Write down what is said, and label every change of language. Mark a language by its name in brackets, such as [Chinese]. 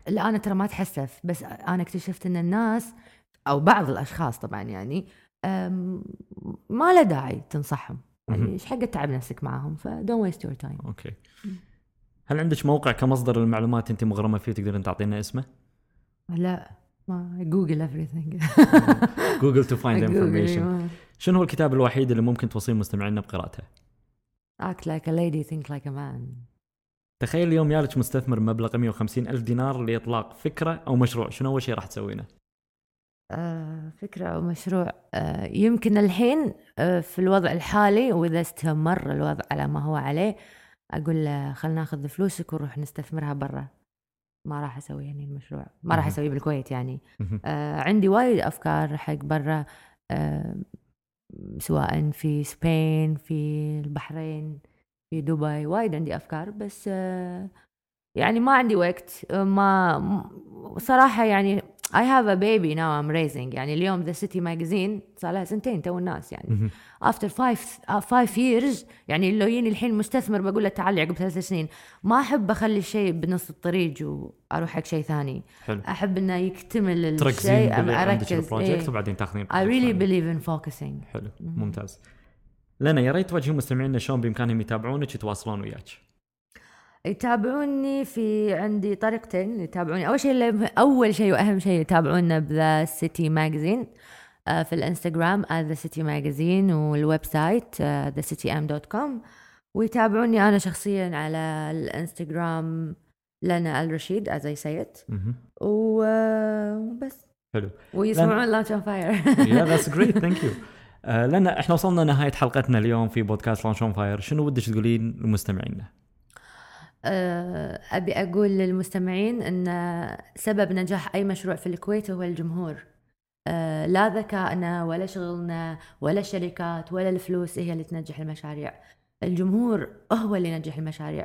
[Arabic] لا أنا ترى ما تحسف، بس أنا اكتشفت إن الناس أو بعض الأشخاص طبعا يعني ما له داعي تنصحهم، يعني إيش حق تعب نفسك معهم، ف [English] don't waste your time. Okay. [Arabic] هل عندك موقع كمصدر المعلومات أنت مغرمة فيه تقدرين تعطينا اسمه؟ لا ما جوجل [English] everything. Google to find information. [Arabic] شنو هو الكتاب الوحيد اللي ممكن توصيه مستمعينا بقراءته؟ [English] Act like a lady, think like a man. [Arabic] تخيل اليوم يالك مستثمر مبلغ 150 ألف دينار لإطلاق فكرة أو مشروع، شنو أول شيء راح تسوينه؟ فكرة أو مشروع، يمكن الحين في الوضع الحالي وإذا استمر الوضع على ما هو عليه أقول له خلنا نأخذ فلوسك ونروح نستثمرها برا. ما راح أسوي يعني المشروع، ما راح أسوي بالكويت يعني. عندي وايد أفكار حق برا، سواء في سبين، في البحرين، في دبي، وايد عندي أفكار، بس يعني ما عندي وقت. ما صراحة يعني [English] I have a baby now I'm raising. [Arabic] يعني اليوم The City Magazine صار لها سنتين تو الناس يعني. [English] After five years [Arabic] يعني لو يجيني الحين مستثمر بقول له تعالي عقب 3 سنين، ما أحب أخلي شيء بنص الطريق وأروح حق شيء ثاني. حلو. أحب إنه يكتمل الشيء أركز إيه. وبعدين تأخذين. [English] I really believe in focusing. [Arabic] حلو. ممتاز. لنا يا ريت توجهوا مستمعينا شلون بإمكانهم يتابعونك يتواصلون وياك. يتابعوني في عندي طريقتين يتابعوني. أول شيء وأهم شيء يتابعونا The City Magazine في الإنستغرام The City Magazine، والويب سايت thecitym.com. ويتابعوني أنا شخصيا على الإنستغرام لنا الرشيد [English] as I say it. [Arabic] وبس. حلو. ويسمعون Launch on Fire. [English] Yeah that's great thank you. [Arabic] لنا إحنا وصلنا نهاية حلقتنا اليوم في بودكاست Launch on Fire، شنو ودك تقولين لمستمعينا؟ أبي أقول للمستمعين أن سبب نجاح أي مشروع في الكويت هو الجمهور. لا ذكاءنا ولا شغلنا ولا الشركات ولا الفلوس هي اللي تنجح المشاريع، الجمهور هو اللي ينجح المشاريع.